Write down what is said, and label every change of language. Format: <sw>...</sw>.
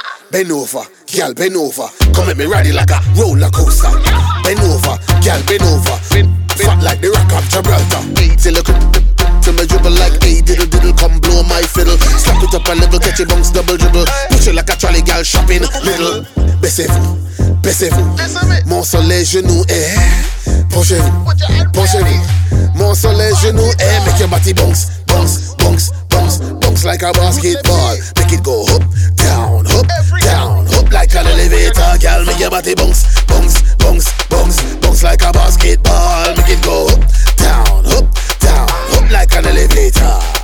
<en>Bend over, girl, bend over. Come at me ready like a roller coaster. Bend over, girl, bend over. Fat like the rock of Gibraltar. Till you to me dribble like a diddle diddle. Come blow my fiddle. Slap it up a level, catch your bumps double dribble. Push it like a trolley, girl, shopping little.</en> <fr>Baissez-vous, baissez-vous. Mon soleil, genou, eh. Penchez-vous, penchez-vous. Mon soleil, genou, eh.</fr> <en>Make your body bounce, bounce, bounce, bounce, bounce like a basketball. Make it go up, down, up, down, up like an elevator, girl. Make your body bounce, bounce, bounce, bounce, bounce like a basketball. Make it go up, down, up, down, up like an elevator.</en>